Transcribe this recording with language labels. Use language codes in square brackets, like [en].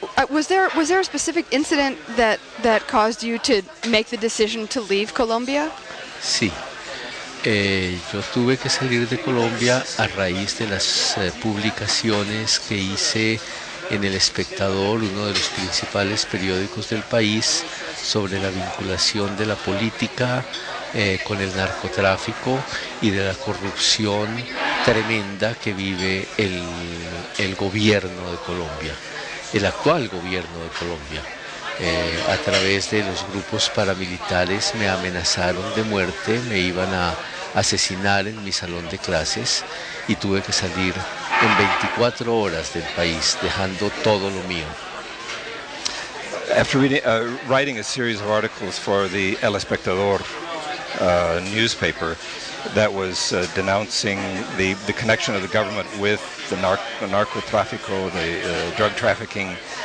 [en] Was there a specific incident that caused you to make the decision to leave Colombia? [es] Sí. Yo tuve que salir de Colombia a raíz de las publicaciones que hice en El Espectador, uno de los principales periódicos del país, sobre la vinculación de la política con el narcotráfico y de la corrupción tremenda que vive el gobierno de Colombia, el actual gobierno de Colombia. A través de los grupos paramilitares me amenazaron de muerte, me iban a asesinar en mi salón de clases y tuve que salir en 24 horas del país, dejando todo lo mío. [en] After writing a series of articles for the El Espectador newspaper that was denouncing the connection of the government with the narcotráfico, the drug trafficking,